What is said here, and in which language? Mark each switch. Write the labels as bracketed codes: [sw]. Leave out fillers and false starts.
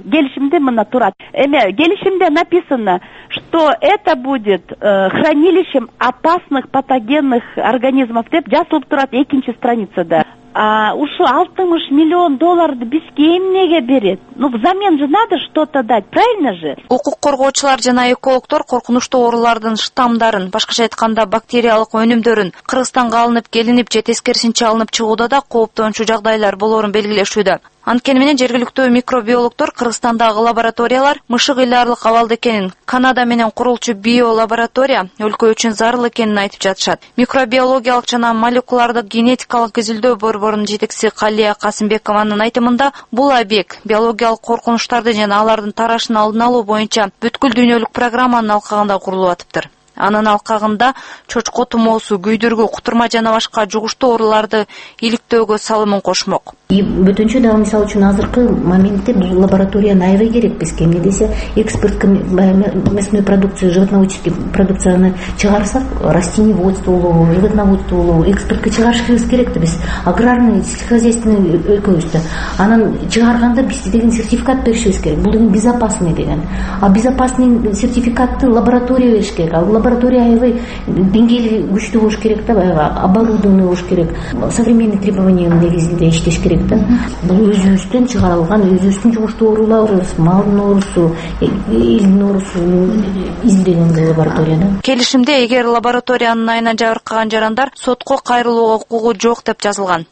[ky] Келишимде мына турат. Эми келишимде [ru] написано, что это будет хранилищем опасных патогенных организмов [ky] деп жазылып турат. Экинчи страницада. А ушу 60 миллион долларды бизге эмнеге берет? [ru] Ну, взамен же надо что-то дать, правильно же? [ky] Укук коргоочулар жана экологтор коркунучтуу оорулардын штамдарын, башкача айтканда бактериялык өнүмдөрүн Кыргызстанга алынып келинип же тескерисинче алынып чыгууда да кооптончу жагдайлар болорун белгилешүүдө. Анткени менен жергиликтүү микробиологтор Кыргызстандагы лабораториялар мышык ыйлаарлык абалда экенин, Канада менен курулчу биолаборатория өлкө үчүн зарыл экенин айтып жатышат. Микробиологиялык жана молекулярдык генетикалык изилдөө борборунун жетекчиси Калия Касымбекованын айтымында, бул объект биологиялык коркунучтарды жана алардын тарашын алдын алуу боюнча бүткүл дүйнөлүк программанын алкагында курулуп атыптыр. Анын алкагында чочко тумоосу, күйдүргү, кутурма жана башка жугуштуу ооруларды иликтөөгө салымын кошмок. Бүтүнчө дагы мисалы үчүн азыркы моментте бир лабораторияны аябай керек бизге. Эмне десе, экспорт [ru] мясной продукции, [ky] животноводческий продукцияны чыгарсак, растениеводстволугу, животноводстволугу экспортко чыгарышыбыз керекти биз. [ru] Аграрный сельскохозяйственный [ky] өлкөбүздө. Анан чыгарганда биз деген сертификат беришибиз керек. Бул деген безопасный деген. А безопасный сертификатты лаборатория бериш керек. А лаборатория аябай деңгээли күчтүү болуш керек да, баягы оборудование болуш керек. Современный требованиянын негизинде иштеш керек да. Бул өзүбүздөн чыгарылган, өзүбүздүн жугуштуу ооруларыбыз, малдын оорусу, элдин оорусу изделенген лабораторияда. Келишимде эгер лабораториянын айынан жабыркаган жарандар сотко кайрылууга укугу жок деп жазылган.